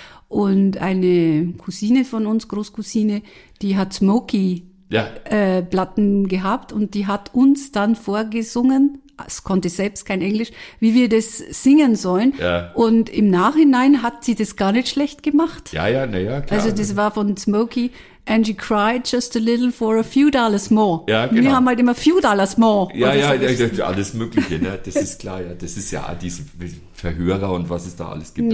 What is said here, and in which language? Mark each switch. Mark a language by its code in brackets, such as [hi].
[de] Und eine Cousine von uns, Großcousine, die hat Smokey-Platten gehabt und die hat uns dann vorgesungen, es konnte selbst kein Englisch, wie wir das singen sollen. Ja. Und im Nachhinein hat sie das gar nicht schlecht gemacht. Ja, naja, klar. Also das war von Smokey, [en] and she cried just a little for a few dollars more. [de] Ja, genau. Wir haben halt immer [en] few dollars more. [de] Ja, alles Mögliche, ne? Das ist klar, ja. Das ist ja diese Verhörer und was es da alles gibt.